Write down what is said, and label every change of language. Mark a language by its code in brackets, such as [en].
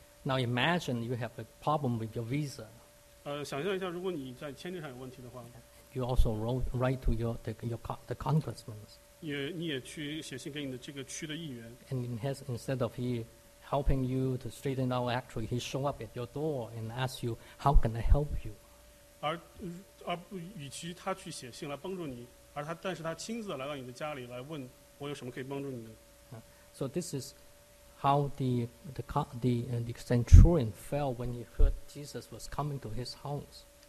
[en] Now imagine you have a problem with your visa. [zh] 想象一下，如果你在签证上有问题的话。 [en] You also write to the congressman. [zh] 你也去写信给你的这个区的议员。 [en] And instead of he helping you to straighten out, actually he show up at your door and ask you, how can I help you? [zh] 而与其他去写信来帮助你。而他，但是他亲自来到你的家里来问我有什么可以帮助你的。 [en] So this is how the centurion felt when he heard Jesus was coming to his house.